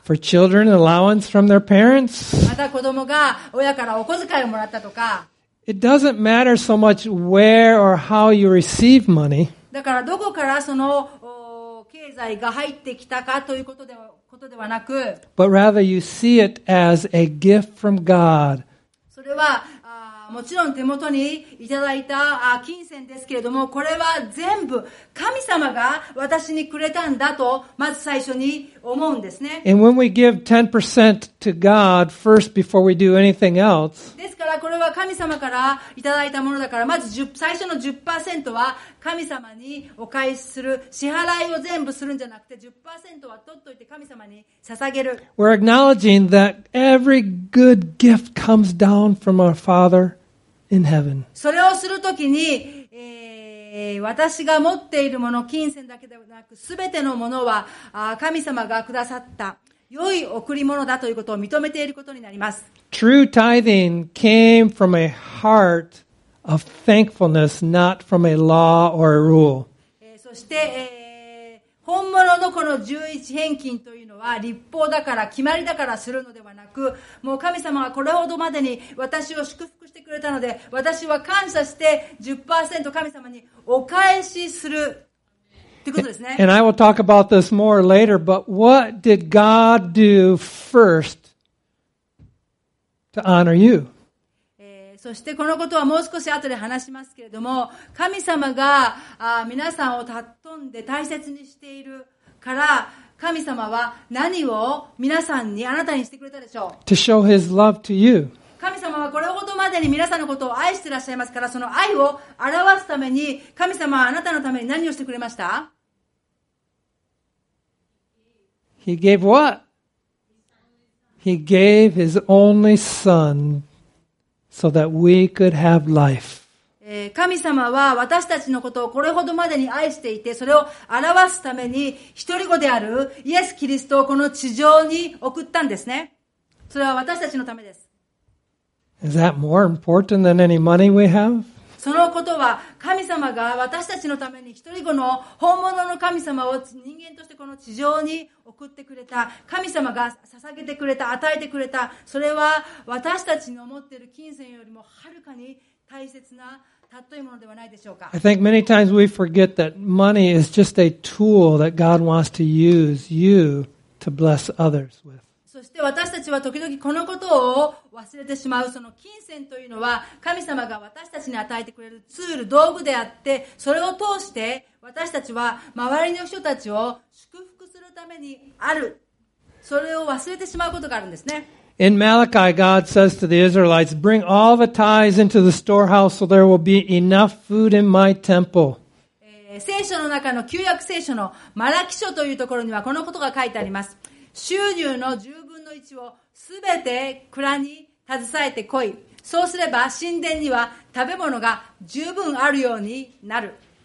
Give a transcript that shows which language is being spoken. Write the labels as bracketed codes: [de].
[en] For children, allowance from their parents. [ja] また子供が親からお小遣いをもらったとか、 [en] It doesn't matter so much where or how you receive money. [ja] だからどこからその経済が入ってきたかということではなく、 [en] But rather you see it as a gift from God [ja] それはもちろん手元にいただいた金銭ですけれども、これは全部神様が私にくれたんだとまず最初に思うんですね。 [en] And when we give 10% to God first before we do anything else。 [ja] ですからこれは神様からいただいたものだから、まず最初の 10% は神様にお返しする支払いを全部するんじゃなくて、10% は取っておいて神様に捧げる。 [en] We're acknowledging that every good gift comes down. From our Father in heaven. [ja] それをするときに、私が持っているもの、金銭だけではなく、すべてのものは神様がくださった良い贈り物だということを認めていることになります。 [en] True tithing came from a heart of thankfulness, not from a law or a rule. [ja] そして、本物のこの十一返金というのは立法だから決まりだからするのではなく、もう神様はこれほどまでに私を祝福してくれたので、私は感謝して 10% 神様にお返しするということですね。 [en] And I will talk about this more later, but what did God do first to honor you? [ja] そしてこのことはもう少し後で話しますけれども、神様が皆さんを尊んで大切にしているから、神様は何を皆さんにあなたにしてくれたでしょう。 [en] To show his love to you. [ja] 神様はこれほどまでに皆さんのことを愛していらっしゃいますから、その愛を表すために神様はあなたのために何をしてくれました。 [en] He gave what? He gave his only son. So that we could have life. [ja] 神様は私たちのことをこれほどまでに愛していて、それを表すために一人子であるイエス・キリストをこの地上に送ったんですね。それは私たちのためです。 [en] Is that more important than any money we have? [ja] そのことは神様が私たちのために一人子の本物の神様を人間としてこの地上に送ってくれた、神様が捧げてくれた、与えてくれた、それは私たちの持っている金銭よりもはるかに大切な尊いものではないでしょうか。 [en] I think many times we forget that money is just a tool that God wants to use you to bless others with. [ja] そして私たちは時々このことを忘れてしまう。その金銭というのは神様が私たちに与えてくれるツール、道具であって、それを通して私たちは周りの人たちを祝福するためにある。それを忘れてしまうことがあるんですね。 [en] In Malachi, God says to the Israelites, bring all the tithes into the storehouse so there will be enough food in my temple. [ja] 聖書の中の旧約聖書のマラキ書というところにはこのことが書いてあります。収入の十分の一をすべて蔵に携えて来い。そうすれば神殿には食べ物が十分あるようになる。